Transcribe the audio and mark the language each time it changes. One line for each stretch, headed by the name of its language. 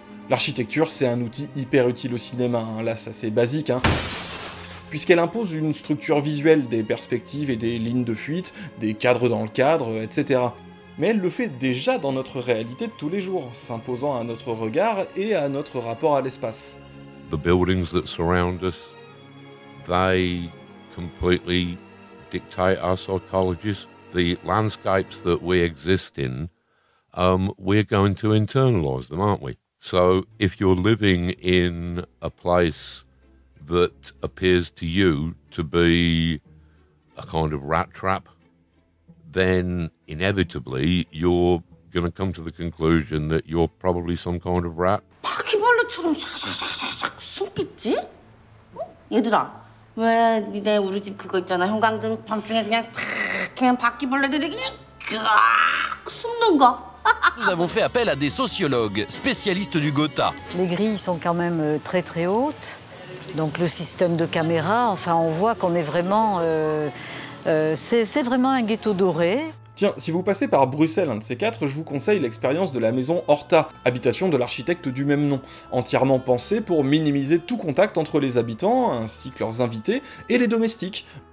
French: L'architecture, c'est un outil hyper utile au cinéma, hein. Là ça c'est basique, hein. Puisqu'elle impose une structure visuelle des perspectives et des lignes de fuite, des cadres dans le cadre, etc. Mais elle le fait déjà dans notre réalité de tous les jours, s'imposant à notre regard et à notre rapport à l'espace.
English: The buildings that surround us, they completely dictate our psychologies. The landscapes that we exist in, we're going to internalize them, aren't we? So if you're living in a place that appears to you to be a kind of rat trap, then inevitably you're going to come to the conclusion that you're probably some kind of rat.
Korean: 바퀴벌레처럼 싹싹싹싹싹 숨겠지? 얘들아, 왜 니네 우리 집 그거 있잖아, 형광등 밤중에 그냥 탁 그냥 바퀴벌레들이 그냥 숨는가?
French: Nous avons fait appel à des sociologues, spécialistes du Gotha. Les grilles sont quand même très très hautes, donc le système de caméra, enfin on voit qu'on est vraiment... c'est vraiment un ghetto doré. Tiens, si vous passez par Bruxelles, un de ces quatre, je vous conseille l'expérience de la maison Horta, habitation de l'architecte du même nom, entièrement pensée pour minimiser tout contact entre les habitants, ainsi que leurs invités, et les domestiques.